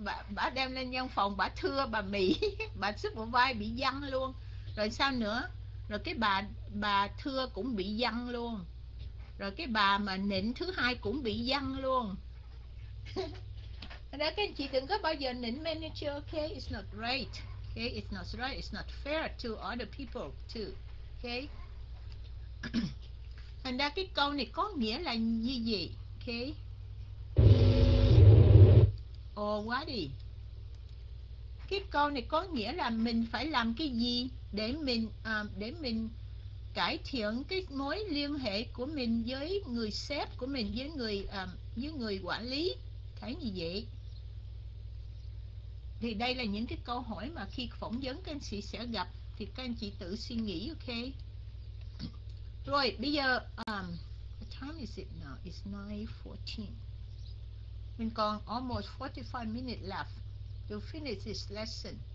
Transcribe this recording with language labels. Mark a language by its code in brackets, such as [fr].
[vi] bà đem lên văn phòng bà thưa bà Mỹ, bà sức bà vai bị văng luôn. Rồi sao nữa, Rồi cái bà thưa cũng bị dăng luôn. Rồi cái bà mà nịnh thứ hai cũng bị dăng luôn. Đó, các anh chị đừng có bao giờ nịnh manager, okay? [en] It's not right. Okay, it's not right, it's not fair to other people too. Okay. [vi] Thành ra cái câu này có nghĩa là như gì? Okay. Ồ quá đi. Cái câu này có nghĩa là mình phải làm cái gì để mình cải thiện cái mối liên hệ của mình với người sếp của mình, với người quản lý. Thấy như vậy. Thì đây là những cái câu hỏi mà khi phỏng vấn các anh chị sẽ gặp, thì các anh chị tự suy nghĩ, ok. Rồi, bây giờ [en] what time is it now? It's 9:14. [vi] Mình còn [en] almost 45 minutes left to finish this lesson.